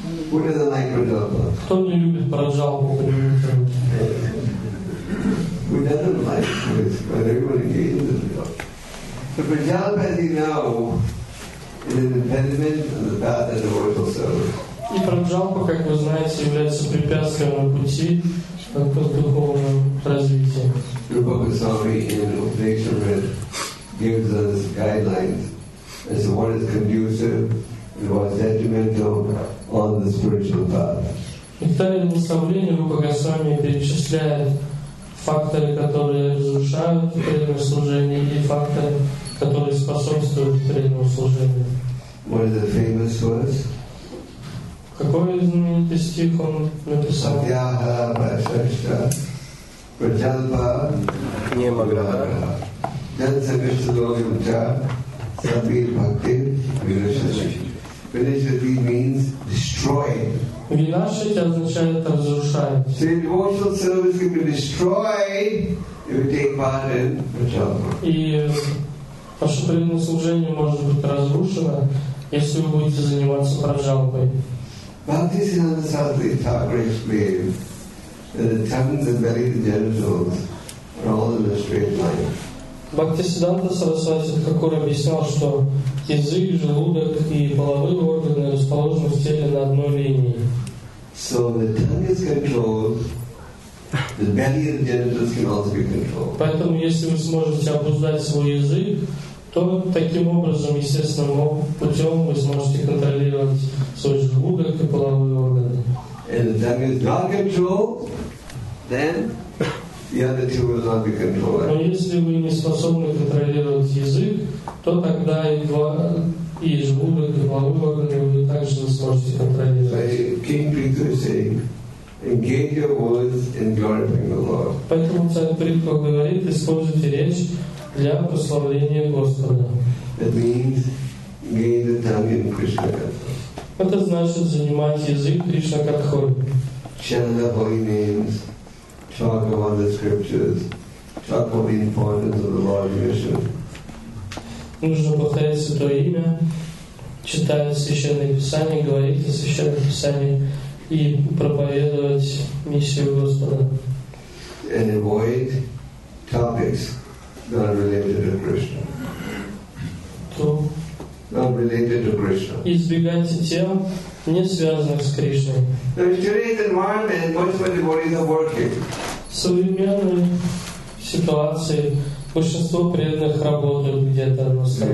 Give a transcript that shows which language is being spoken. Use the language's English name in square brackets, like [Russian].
[English] Who doesn't like prajalpa? [Russian] Кто не любит праджалбу? [English] Who doesn't like this? But everybody hates it. So prajalpa, as you know, is an impediment to the path of the devotional service. [Russian] И праджалпа, как вы знаете, является препятствием на пути к духовному развитию. [English] Rupa Goswami in Upadeshan gives us guidelines as to what is conducive and what is detrimental on the spiritual path. [Russian] И в тайном наставлении Рупа Госвами перечисляет факторы, которые разрушают преданное служение, и факторы, которые способствуют преданному служению. [English] What is the famous verse? [Russian] Какой знаменитый стих он написал? Атьяха Вайшашча Праджалпа Немаграха Джанса Кришталовим Ча Сабир Бхакти Вирашачи. [English] Vinashati means destroy. [Russian] Vinashati означает разрушает. [English] So devotional service can be destroyed if you take part in prajalpa. [Russian] И преданное служение может быть разрушено, если вы будете заниматься праджалпой. [English] Bhakti Siddhanta Sarasvati Thakur explained that the tongues and belly, the genitals, are all in a straight line. [Russian] Бхакти Сиддханта Сарасвати Такур объяснял, что язык, желудок и половые органы расположены в теле на одной линии. [English] So the tongue is controlled, the belly and genitals can also be controlled. [Russian] Поэтому, если вы сможете обуздать свой язык, то таким образом, естественным путем, вы сможете контролировать свой желудок и половые органы. [English] And the tongue is not controlled, then the other two will not be controlled. [Russian] Но если вы не способны контролировать язык, то тогда и желудок, и половые органы вы также не сможете контролировать. [English] So King Peter is saying, engage your words in glorifying the Lord. [Russian] Поэтому царь Притхо говорит, используйте речь для прославления Господа. [English] That means engage the tongue in Krishna Katha. [Russian] Это значит занимать язык Кришна Катхой. [English] Chant the holy names. Talk about the scriptures. Talk about the importance of the Lord Vishnu. [Russian] Нужно повторять святое имя, читать священные писания, говорить о священных писаниях и проповедовать миссию Господа. [English] And avoid topics not related to Krishna. [Russian] То. [English] Not related to Krishna. [Russian] Избегайте тем, не связанных с Кришной. [English] So in today's environment, most of the devotees are working. [Russian] В современной ситуации большинство преданных работают где-то на